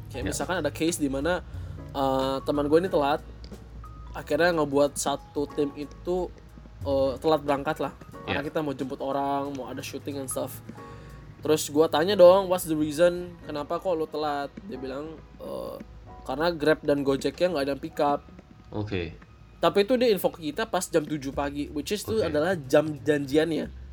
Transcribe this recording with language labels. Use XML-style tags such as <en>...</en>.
<id>Kayak misalkan ada case dimana teman gue ini telat, akhirnya ngebuat satu tim itu telat berangkat lah. Karena kita mau jemput orang, mau ada shooting</id> <en>and stuff.</en> <id>Terus gue tanya dong,</id> <en>what's the reason?</en> <id>Kenapa kok lo telat? Dia bilang, karena Grab dan Gojeknya gak ada yang pick up. Tapi itu dia info ke kita pas jam 7 pagi,</id> <en>which is</en> <id>itu adalah jam janjiannya.</id>